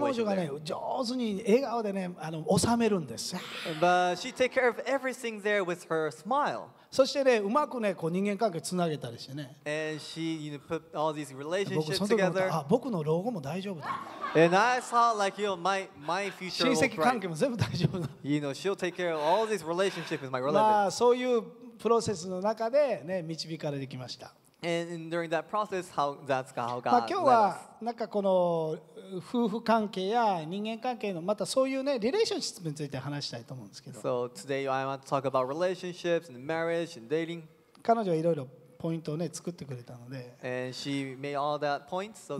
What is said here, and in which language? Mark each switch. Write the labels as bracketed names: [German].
[Japanese] 彼女がね上手に笑顔でね収めるんです。 [English] But she take care of everything there with her smile. [Japanese] そしてねうまくねこう人間関係つなげたりしてね。 [English] And she you know, put all these relationships together. [Japanese] 僕の老後も大丈夫だ。 [English] And I thought like you know, my future. [Japanese] 親戚関係も全部大丈夫だ。 [English] You know she'll take care of all these relationships with my relatives. [Japanese] まあそういうプロセスの中で、ね、導かれてきました。 [English] Process, how, まあ [Japanese] 今日はなんかこの夫婦関係や人間関係のまたそういうねリレーションシップについて話したいと思うんですけど。 [English] So today I want to talk about relationships and marriage and dating. [Japanese] 彼女はいろいろポイントをね作ってくれたので。 [English] And she made all that points.